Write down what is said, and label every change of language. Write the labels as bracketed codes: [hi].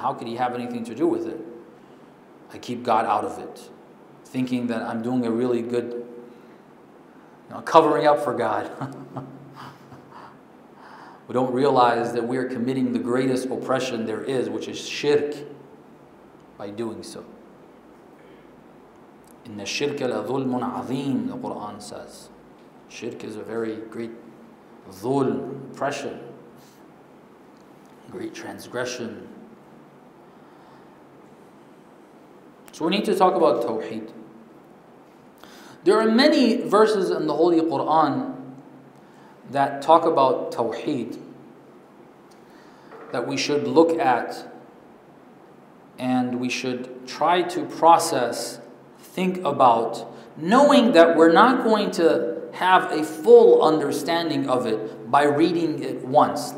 [en] How could He have anything to do with it? I keep God out of it, thinking that I'm doing a really good, covering up for God. We don't realize that we are committing the greatest oppression there is, which is shirk, by doing so. [ar] إِنَّ الشِّرْكَ لَظُلْمٌ عَظِيمٌ [en] The Qur'an says. Shirk is a very great ظُلْم, oppression, great transgression. So we need to talk about Tawheed. There are many verses in the Holy Qur'an that talk about Tawheed that we should look at and we should try to process, think about, knowing that we're not going to have a full understanding of it by reading it once.